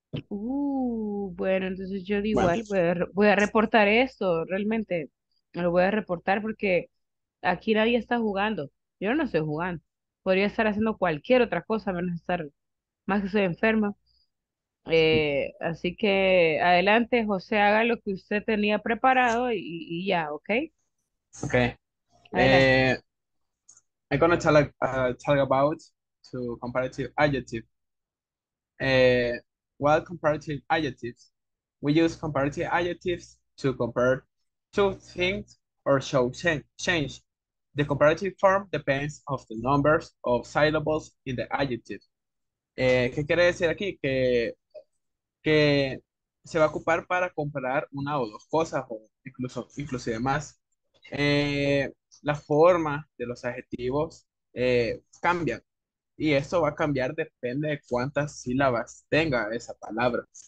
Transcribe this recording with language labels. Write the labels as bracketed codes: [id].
[es] Bueno, entonces yo de igual voy a reportar esto, realmente lo voy a reportar porque aquí nadie está jugando. Yo no estoy jugando. Podría estar haciendo cualquier otra cosa, menos estar, más que soy enferma. Así que adelante, José, haga lo que usted tenía preparado y ya, ¿ok? Ok. [en] I'm going to talk about to comparative adjective. What comparative adjectives? We use comparative adjectives to compare two things or show change. The comparative form depends of the numbers of syllables in the adjective. [es] ¿Qué quiere decir aquí? Que se va a ocupar para comparar una o dos cosas, o inclusive más. La forma de los adjetivos cambia. Y esto va a cambiar depende de cuántas sílabas tenga esa palabra.